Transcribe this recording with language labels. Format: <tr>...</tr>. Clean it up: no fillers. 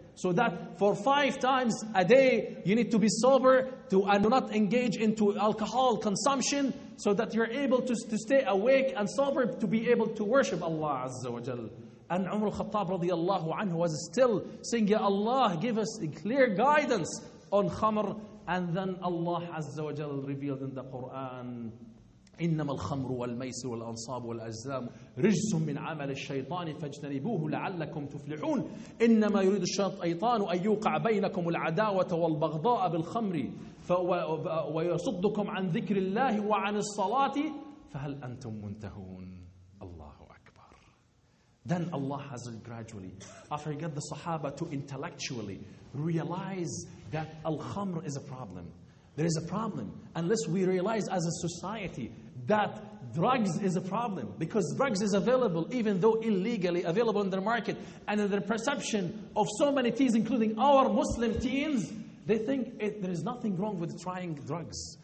<en>So that for 5 times a day you need to be sober to and not engage into alcohol consumption so that you're able to stay awake and sober to be able to worship Allah Azza wa Jal. And Umar al-Khattab radiallahu anhu was still saying, Ya Allah, give us a clear guidance on khamr.</en> <ar>And then Allah Azza wa Jal revealed in the Quran, إنما الخمر والميسر والأنصاب والأزلام رجس من عمل الشيطان فاجتنبوه لعلكم تفلحون إنما يريد الشيطان أن يوقع بينكم العداوة والبغضاء بالخمر ويصدكم عن ذكر الله وعن الصلاة فهل أنتم منتهون الله أكبر.</ar> <en>Then Allah has gradually, after he got the Sahaba to intellectually realize that al-khamr is a problem. There is a problem. Unless we realize as a society that drugs is a problem, because drugs is available, even though illegally available in the market, and in the perception of so many teens, including our Muslim teens, they think there is nothing wrong with trying drugs.</en>